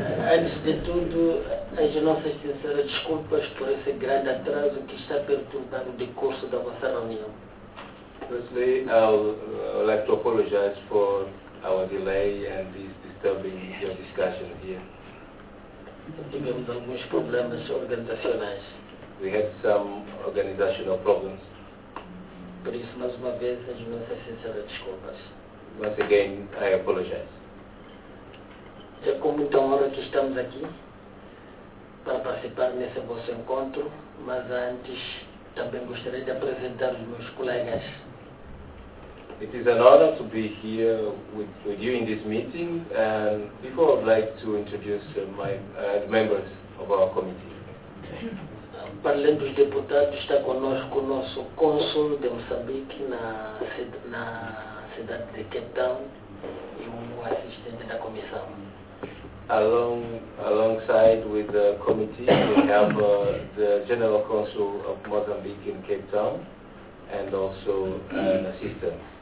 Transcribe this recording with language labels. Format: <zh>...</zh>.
<pt>Antes de tudo, as nossas sinceras desculpas por esse grande atraso que está perturbando o decurso da vossa reunião.</pt> <en>Firstly, I'd like to apologize for our delay and this disturbing your discussion here.</en> <pt>Tivemos alguns problemas organizacionais.</pt> <en>We had some organizational problems.</en> <pt>Por isso, mais uma vez, as minhas sinceras desculpas.</pt> <en>Once again, I apologize.</en> <pt>É com muita honra que estamos aqui para participar nesse vosso encontro, mas antes também gostaria de apresentar os meus colegas.</pt> <en>It is an honor to be here with you in this meeting, and before I'd like to introduce the members of our committee.</en> <pt>Para além dos deputados, está conosco o nosso cônsul de Moçambique na cidade de Cape Town e um assistente da comissão.</pt> <en>Alongside with the committee, we have the general consul of Mozambique in Cape Town and also an assistant.</en>